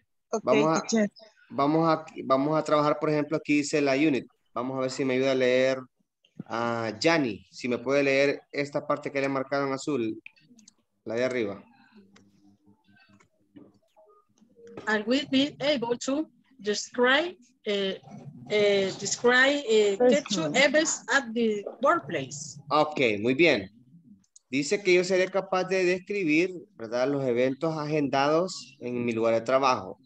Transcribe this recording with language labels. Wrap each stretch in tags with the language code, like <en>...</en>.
<es>Okay, vamos a trabajar, por ejemplo, aquí dice la unit. Vamos a ver si me ayuda a leer a Yanni. Si me puede leer esta parte que le marcaron en azul, la de arriba.</es> <en>I will be able to describe at the workplace.</en> <es>Okay, muy bien. Dice que yo seré capaz de describir, ¿verdad?, los eventos agendados en mi lugar de trabajo.</es>